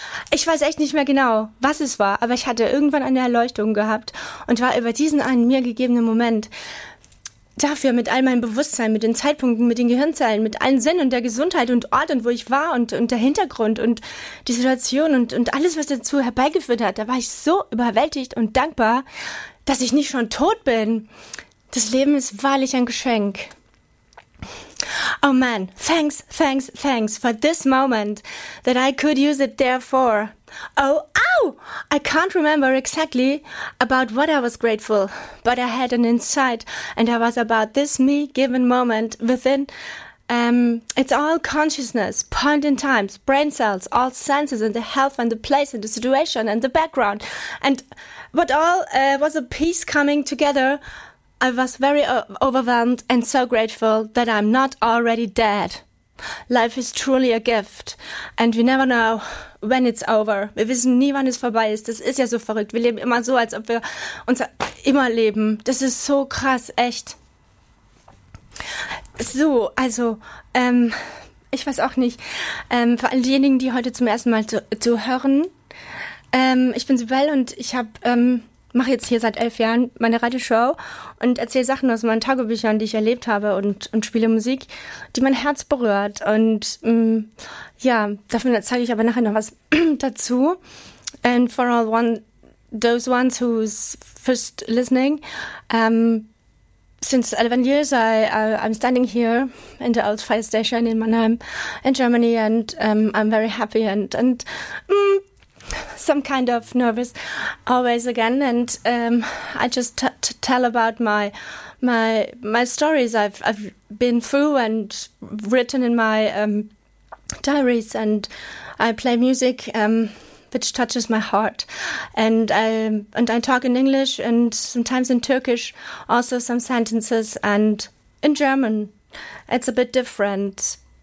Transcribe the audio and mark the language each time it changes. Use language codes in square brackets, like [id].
[de] Ich weiß echt nicht mehr genau, was es war, aber ich hatte irgendwann eine Erleuchtung gehabt und war über diesen einen mir gegebenen Moment dafür mit all meinem Bewusstsein, mit den Zeitpunkten, mit den Gehirnzellen, mit allen Sinn und der Gesundheit und Ort und wo ich war und der Hintergrund und die Situation und alles, was dazu herbeigeführt hat, da war ich so überwältigt und dankbar, dass ich nicht schon tot bin. Das Leben ist wahrlich ein Geschenk. [en] Oh man, thanks, thanks, thanks for this moment that I could use it there for. Oh, ow! I can't remember exactly about what I was grateful, but I had an insight and I was about this me given moment within. It's all consciousness, point in time, brain cells, all senses and the health and the place and the situation and the background. And what all was a piece coming together. I was very overwhelmed and so grateful that I'm not already dead. Life is truly a gift and we never know when it's over. [de] Wir wissen nie, wann es vorbei ist. Das ist ja so verrückt. Wir leben immer so, als ob wir uns immer leben. Das ist so krass, echt. So, also, ich weiß auch nicht. Für all diejenigen, die heute zum ersten Mal zu hören. Ich bin Sibel und ich habe... mache jetzt hier seit 11 Jahren meine Radioshow und erzähle Sachen aus meinen Tagebüchern, die ich erlebt habe und spiele Musik, die mein Herz berührt. Und ja, dafür zeige ich aber nachher noch was dazu. [en] And for all one, those ones who's first listening, since 11 years I'm standing here in the old fire station in Mannheim in Germany and I'm very happy and some kind of nervous always again and I just tell about my stories I've been through and written in my diaries and I play music which touches my heart and I talk in English and sometimes in Turkish also some sentences and in German it's a bit different.